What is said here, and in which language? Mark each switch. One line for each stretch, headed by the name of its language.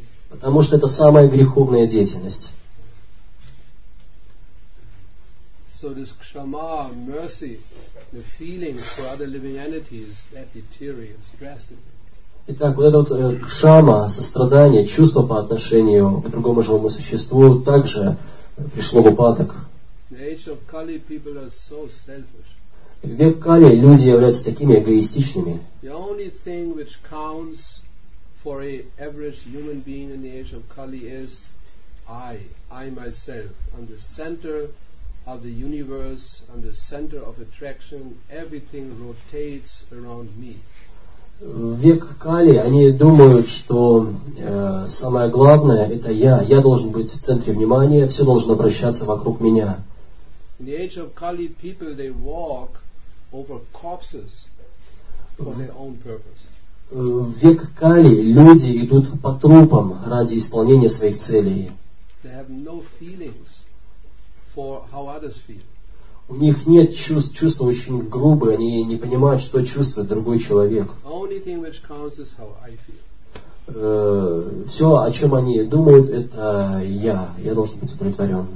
Russian: Потому что это самая греховная деятельность.
English: So this kshama, mercy, the feeling for other living entities that deteriorates drastically.
Russian: Итак, вот это вот кшама, сострадание, чувство по отношению к другому живому существу также пришло в упадок.
English: In the age of Kali, people are so selfish.
Russian: В век Кали люди являются такими эгоистичными.
English: The only thing which counts for an average human being in the age of Kali is I myself, I'm the center of the universe, on the center of attraction, everything rotates around me.
Russian: В век Кали они думают, что самое главное это я должен быть в центре внимания, все должно вращаться вокруг меня.
English: In the age of Kali, people they walk over corpses for their own purpose.
Russian: В век Кали люди идут по трупам ради исполнения своих целей.
English: They have no feelings for how others feel.
Russian: У них нет чувств, чувства очень грубые, они не понимают, что чувствует другой человек.
English: Only thing which counts is how I feel.
Russian: Все, о чем они думают, это я должен быть удовлетворен.